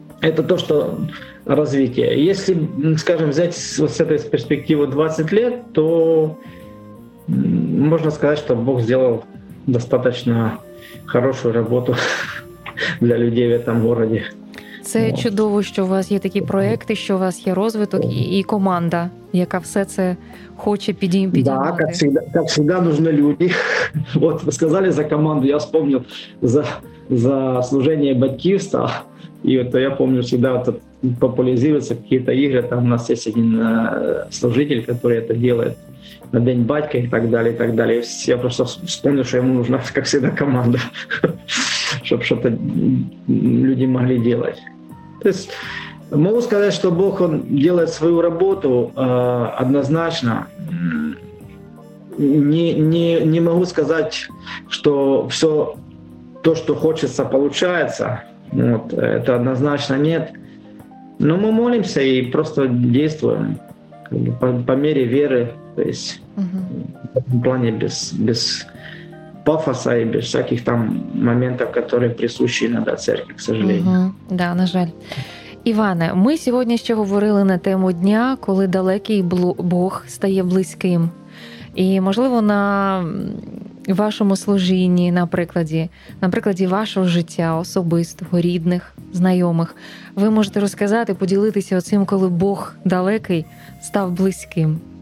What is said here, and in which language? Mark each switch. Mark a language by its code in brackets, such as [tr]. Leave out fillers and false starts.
[ru] Это то, что развитие. Если, взять с этой перспективы 20 лет, то можно сказать, что Бог сделал достаточно хорошую работу для людей в этом городе. [uk] Це чудово, що у вас є такі проекти, що у вас є розвиток і команда, яка все це хоче підіймати. Так, як завжди, потрібні люди. От ви сказали за команду, я вспомнив за служення батьківства. І от я пам'ятаю, завжди от популяризуються якісь ігри, там у нас є один служитель, який це робить на День батька і так далі, і так далі. Я просто вспомнив, що йому потрібна, як завжди, команда. [ru] Чтобы что-то люди могли делать. То есть могу сказать, что Бог, он делает свою работу однозначно. не могу сказать, что все то, что хочется, получается. Вот, это однозначно нет. Но мы молимся и просто действуем по мере веры. То есть в плане без пафоса и без всяких там моментов, которые присущи иногда церкви, к сожалению. [uk] Да, на жаль. Іване, ми сьогодні ще говорили на тему дня, коли далекий Бог стає близьким. І, можливо, на вашому служінні, на прикладі вашого життя особистого, рідних, знайомих, ви можете розказати, поділитися оцим, коли Бог далекий став близьким.